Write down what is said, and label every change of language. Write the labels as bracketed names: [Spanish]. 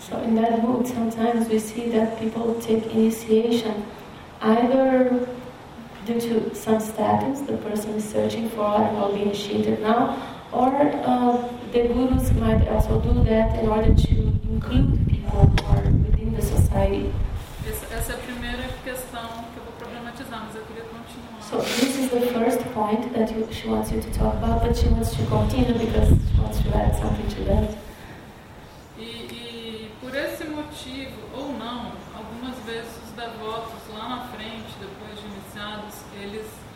[English] So in that mode, sometimes we see that people take initiation either due to some status the person is searching for or being initiated now, or the gurus might also do that in order to include people more within the society. [Portuguese] Essa é a primeira questão que eu vou problematizar, mas eu queria continuar. [English] So this is the first point that she wants you to talk about, but she wants to continue because she wants to add something to that. [Portuguese] E por esse motivo, ou não, algumas vezes os devotos lá na frente, depois de iniciados, eles...